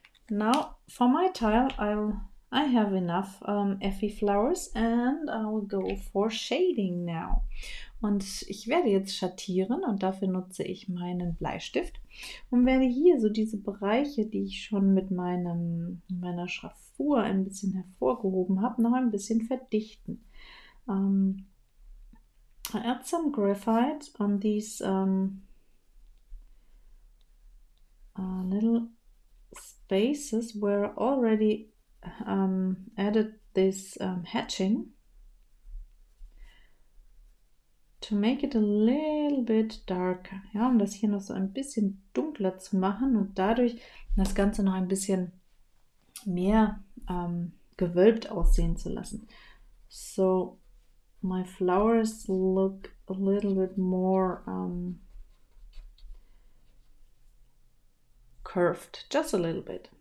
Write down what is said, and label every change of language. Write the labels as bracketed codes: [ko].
[en] Now, for my tile, I have enough Effi flowers and I'll go for shading now. [de] Und ich werde jetzt schattieren und dafür nutze ich meinen Bleistift und werde hier so diese Bereiche, die ich schon mit meiner Schraffur ein bisschen hervorgehoben habe, noch ein bisschen verdichten. [en] I add some graphite on these little spaces where I already added this hatching to make it a little bit darker. [de] Ja, um das hier noch so ein bisschen dunkler zu machen und dadurch das Ganze noch ein bisschen mehr gewölbt aussehen zu lassen. [en] So, my flowers look a little bit more curved, just a little bit.